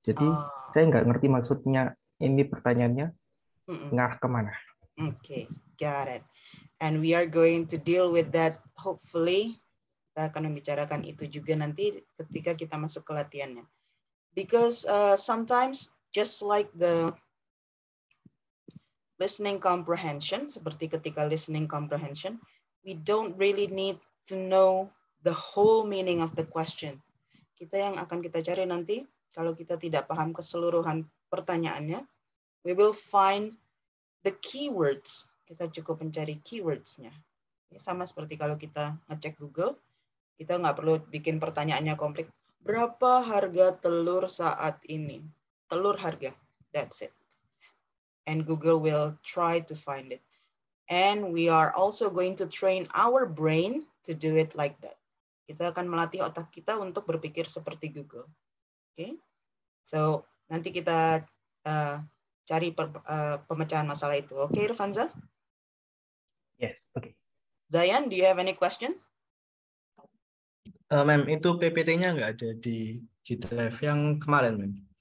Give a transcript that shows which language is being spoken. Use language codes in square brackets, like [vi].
[id] Jadi saya nggak ngerti maksudnya ini pertanyaannya ngarah kemana? [en] Okay, got it. And we are going to deal with that. [id] Hopefully, kita akan membicarakan itu juga nanti ketika kita masuk ke latihannya. [en] Because sometimes, just like the listening comprehension, [id] seperti ketika listening comprehension, [en] we don't really need to know the whole meaning of the question. [id] Kita yang akan kita cari nanti, kalau kita tidak paham keseluruhan pertanyaannya, [en] we will find the keywords. [id] Kita cukup mencari keywordsnya. Sama seperti kalau kita ngecek Google, kita nggak perlu bikin pertanyaannya komplit. Berapa harga telur saat ini? Telur harga, [en] that's it. And Google will try to find it. And we are also going to train our brain to do it like that. [id] Kita akan melatih otak kita untuk berpikir seperti Google. Okay? So, nanti kita cari pemecahan masalah itu. [en] Okay, Irvanza? Yes, okay. Zayan, do you have any question? [id] Ma'am, itu PPT-nya nggak ada di G Drive yang kemarin, ma'am?